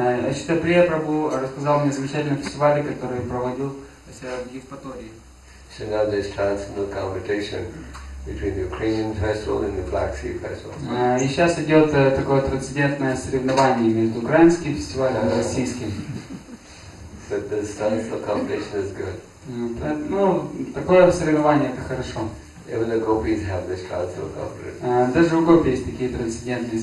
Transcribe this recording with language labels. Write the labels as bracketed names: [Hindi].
[Russian] Chutapia Prabhu рассказал мне замечательный фестиваль, который проводил в Евпатории. [English] So now there is transcendental competition between the Ukrainian festival and the Black Sea festival. [Russian] И сейчас идет такое трансцендентное соревнование между украинским фестивалем и российским. [English] So this transcendental competition is good. [Russian] Ну, такое соревнование это хорошо. [English] Even the gopis have this cultural corporate. [Russian] Даже у гопи есть такие трансцендентные